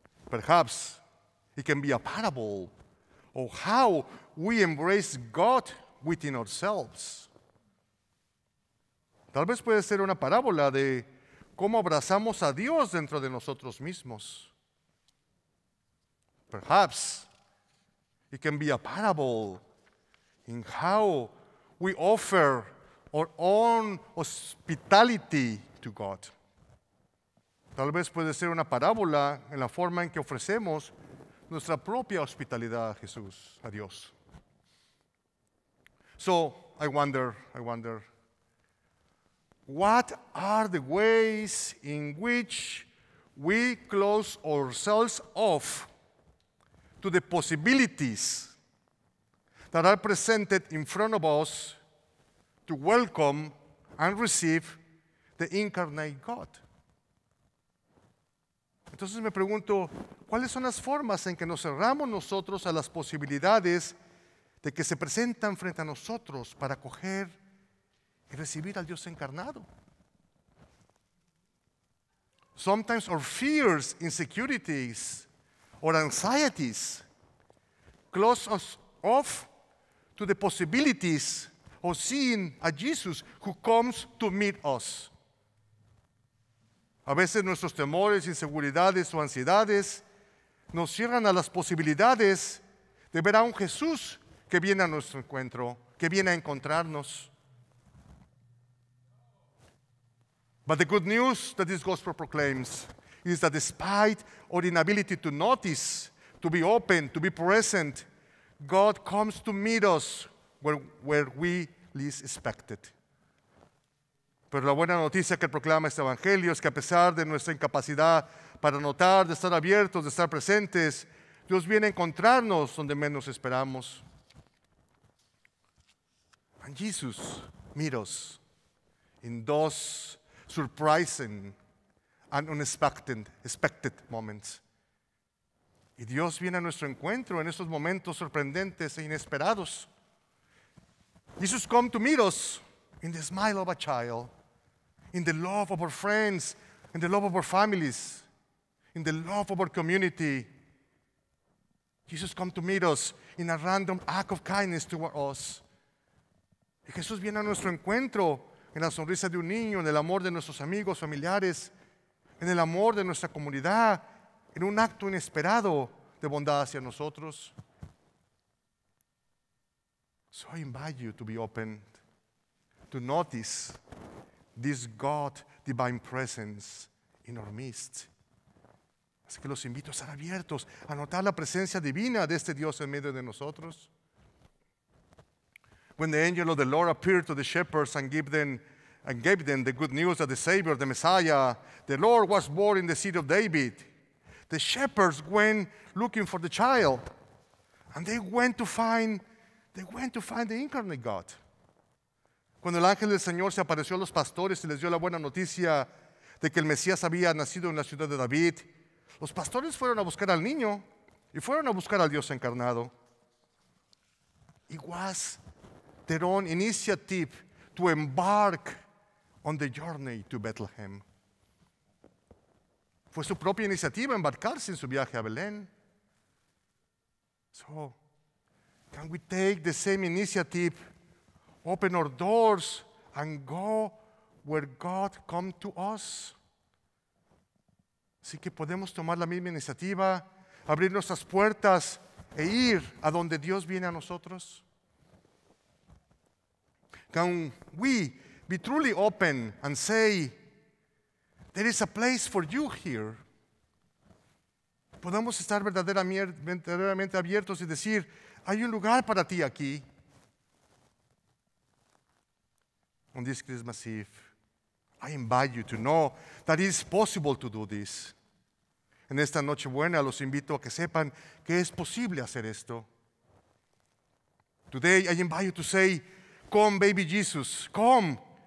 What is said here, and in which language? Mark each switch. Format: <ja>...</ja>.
<en>Perhaps it can be a parable or how we embrace God within ourselves.</en> <es>Tal vez puede ser una parábola de cómo abrazamos a Dios dentro de nosotros mismos.</es> <en>Perhaps it can be a parable in how we offer our own hospitality to God.</en> <es>Tal vez puede ser una parábola en la forma en que ofrecemos nuestra propia hospitalidad a Jesús, a Dios.</es> <en>So, I wonder, what are the ways in which we close ourselves off to the possibilities that are presented in front of us to welcome and receive the incarnate God.</en> <es>Entonces me pregunto, ¿cuáles son las formas en que nos cerramos nosotros a las posibilidades de que se presentan frente a nosotros para acoger y recibir al Dios encarnado?</es> <en>Sometimes our fears, insecurities, or anxieties close us off to the possibilities of seeing a Jesus who comes to meet us.</en> <es>A veces nuestros temores, inseguridades o ansiedades nos cierran a las posibilidades de ver a un Jesús que viene a nuestro encuentro, que viene a encontrarnos.</es> <en>But the good news that this gospel proclaims is that despite our inability to notice, to be open, to be present, God comes to meet us where we least expect it.</en> <es>Pero la buena noticia que proclama este evangelio es que a pesar de nuestra incapacidad para notar, de estar abiertos, de estar presentes, Dios viene a encontrarnos donde menos esperamos.</es> <en>And Jesus meets us in those surprising and unexpected moments.</en> <es>Y Dios viene a nuestro encuentro en esos momentos sorprendentes e inesperados.</es> <en>Jesus comes to meet us in the smile of a child, in the love of our friends, in the love of our families, in the love of our community. Jesus comes to meet us in a random act of kindness toward us.</en> <es>Y Jesús viene a nuestro encuentro en la sonrisa de un niño, en el amor de nuestros amigos, familiares, en el amor de nuestra comunidad, en un acto inesperado de bondad hacia nosotros.</es> <en>So I invite you to be open, to notice this God, divine presence in our midst.</en> <es>Así que los invito a estar abiertos, a notar la presencia divina de este Dios en medio de nosotros.</es> <en>When the angel of the Lord appeared to the shepherds and gave them the good news that the Savior, the Messiah, the Lord was born in the city of David, the shepherds went looking for the child, and they went to find the incarnate God.</en> <es>Cuando el ángel del Señor se apareció a los pastores y les dio la buena noticia de que el Mesías había nacido en la ciudad de David, los pastores fueron a buscar al niño y fueron a buscar al Dios encarnado.</es> <en>It was their own initiative to embark on the journey to Bethlehem.</en> <es>Fue su propia iniciativa embarcarse en su viaje a Belén.</es> <en>So, can we take the same initiative, open our doors, and go where God comes to us?</en> <es>Así que podemos tomar la misma iniciativa, abrir nuestras puertas e ir a donde Dios viene a nosotros.</es> <en>Can we be truly open and say, there is a place for you here?</en> <es>Podemos estar verdaderamente abiertos y decir, hay un lugar para ti aquí.</es> <en>On this Christmas Eve, I invite you to know that it is possible to do this.</en> <es>En esta noche buena, los invito a que sepan que es posible hacer esto.</es> <en>Today, I invite you to say, come, baby Jesus, come.</en>